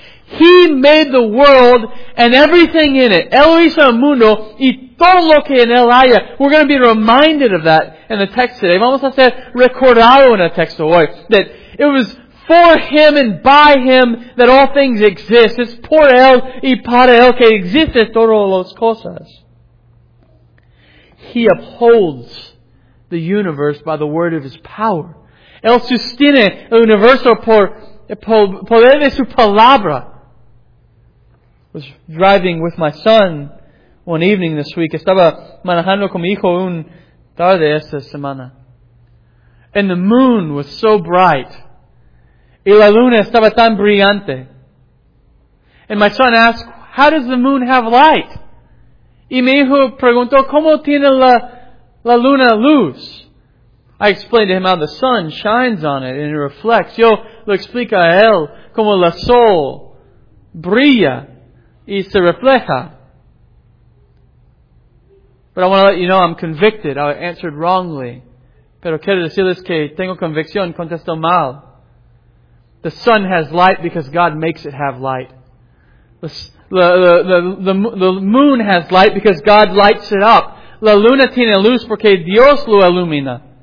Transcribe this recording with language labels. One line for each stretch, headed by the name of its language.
English: He made the world and everything in it.
Spanish: Él hizo el mundo y todo lo que en él haya.
English: We're going to be reminded of that in the text today.
Spanish: Vamos a ser recordado en el texto hoy.
English: That it was for Him and by Him that all things exist.
Spanish: It's por Él y para Él que existen todas las cosas.
English: He upholds the universe by the word of His power.
Spanish: Él sostiene el universo por poder de su palabra.
English: I was driving with my son one evening this week.
Spanish: Estaba manejando con mi hijo un tarde esta semana.
English: And the moon was so bright.
Spanish: Y la luna estaba tan brillante.
English: And my son asked, how does the moon have light?
Spanish: Y mi hijo preguntó, ¿cómo tiene la luna luz?
English: I explained to him how the sun shines on it and it reflects.
Spanish: Yo lo explico a él como la sol brilla. Y se refleja.
English: But I want to let you know I'm convicted. I answered wrongly.
Spanish: Pero quiero decirles que tengo convicción. Contesto mal.
English: The sun has light because God makes it have light. The moon has light because God lights it up.
Spanish: La luna tiene luz porque Dios lo ilumina.